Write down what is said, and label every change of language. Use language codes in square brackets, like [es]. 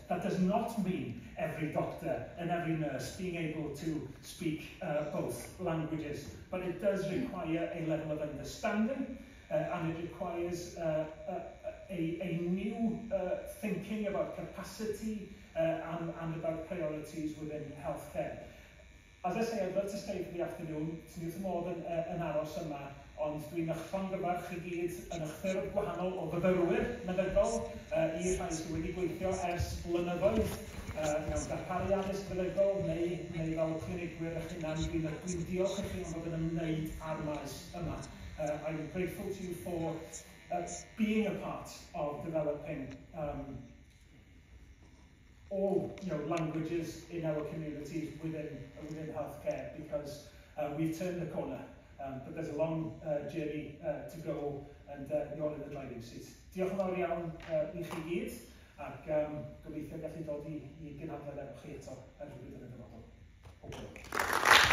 [en] That does not mean every doctor and every nurse being able to speak both languages, but it does require a level of understanding, and it requires a new thinking about capacity and about priorities within healthcare. As I say, I'd love to stay for the afternoon, to use more than an [cy] aros yma, ond dwi'n eich llongyfarch I gyd yn eich ffyrdd gwahanol o fyfyrwyr meddygol i'r rhai sydd wedi gweithio ers blynyddoedd mewn darparu addysg meddygol neu fel clinigwyr eich hunan. Dwi'n diolch I chi am fod yn ymwneud â'r maes yma. [en] I'm grateful to you for being a part of developing all languages in our communities within healthcare, because we've turned the corner, but there's a long journey to go, and you're in the driving seat. [cy] Diolch yn fawr iawn I chi gyd, ac gobeithio gallu dod I gynhadledd efo chi eto ar hyn o bryd yn y dyfodol.